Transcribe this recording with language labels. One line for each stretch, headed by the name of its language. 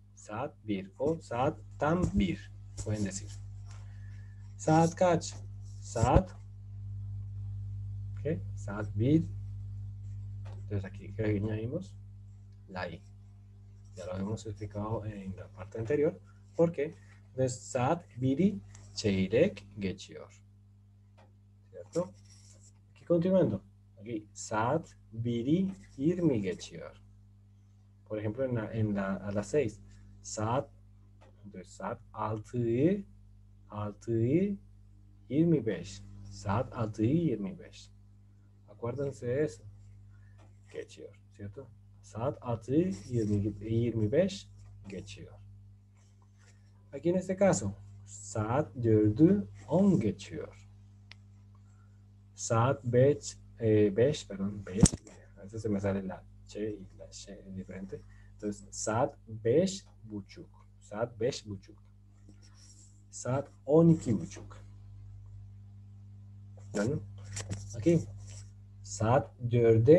Turkish: Saat bir o saat tam bir,
Spanish: pueden decir.
Turkish: Saat kaç, saat, ¿okay? Saat bir.
Spanish: Entonces aquí añadimos la i. Ya lo habíamos explicado en la parte anterior. ¿Por qué?
Turkish: Entonces, saat biri çeyrek geçiyor. ¿Cierto?
Spanish: Aquí continuando.
Turkish: Aquí, saat biri yirmi geçiyor.
Spanish: Por ejemplo, a las 6. Saat, entonces
Turkish: saat 6'yı 6'yı 25. Saat 6'yı 25.
Spanish: Acuérdense de eso.
Turkish: Geçiyor, ¿cierto? Saat 6'yı 25 geçiyor.
Spanish: Aquí en este caso,
Turkish: saat 4'ü 10 geçiyor. Saat 5, 5, perdón, 5.
Spanish: A veces se me sale la Ç y la Ş en diferente.
Turkish: Entonces, saat 5 buçuk. Saat 5 buçuk. Saat 12 buçuk.
Spanish: Bueno, aquí.
Turkish: Saat 4'de.